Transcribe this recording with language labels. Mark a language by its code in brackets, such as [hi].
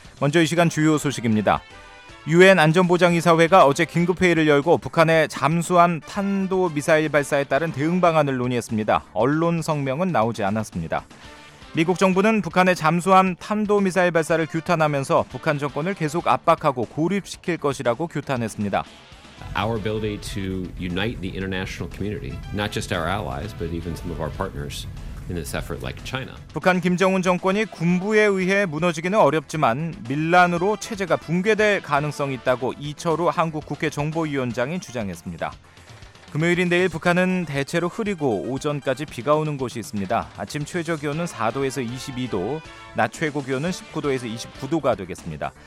[ko] 먼저 이 시간 주요 소식입니다. 유엔 안전보장이사회가 어제 긴급회의를 열고 북한의 잠수함 탄도미사일 발사에 따른 대응 방안을 논의했습니다. 언론 성명은 나오지 않았습니다. 미국 정부는 북한의 잠수함 탄도미사일 발사를 규탄하면서 북한 정권을 계속 압박하고 고립시킬 것이라고 규탄했습니다. [en] Our ability to unite the international community, not just our allies, but even some of our partners. In this effort, like China. [ko] 북한 김정은 정권이 군부에 의해 무너지기는 어렵지만 밀란으로 체제가 붕괴될 가능성이 있다고 이철우 한국 국회 정보위원장이 주장했습니다. 금요일인 내일 북한은 대체로 흐리고 오전까지 비가 오는 곳이 있습니다. 아침 최저 기온은 4도에서 22도, 낮 최고 기온은 19도에서 29도가 되겠습니다.